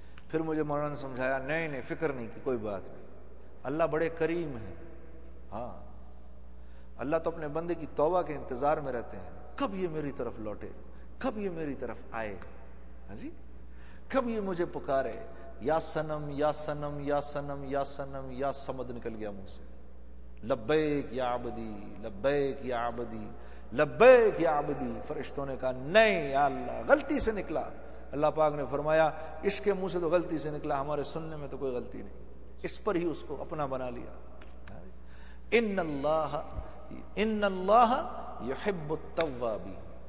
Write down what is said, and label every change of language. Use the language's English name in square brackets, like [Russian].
[Urdu] پھر مجھے مولانا نے سمجھایا, نہیں نہیں فکر نہیں کی کوئی بات نہیں, اللہ بڑے کریم ہیں. ہاں اللہ تو اپنے بندے کی توبہ کے انتظار میں رہتے ہیں, کب یہ میری طرف لوٹے, کب یہ میری طرف آئے, ہاں جی, کب یہ مجھے پکارے. یا سنم یا سنم یا سنم یا سنم یا سمد نکل گیا منہ سے, [Arabic] لبیک یا عبدی, لبیک یا عبدی, [Urdu] لبیک یا عبدی. فرشتوں نے کہا نہیں یا اللہ, غلطی سے نکلا. اللہ پاک نے فرمایا اس کے منہ سے تو غلطی سے نکلا, ہمارے سننے میں تو کوئی غلطی نہیں. اس پر ہی اس کو اپنا بنا لیا. [Arabic] ان اللہ یحب التوابین.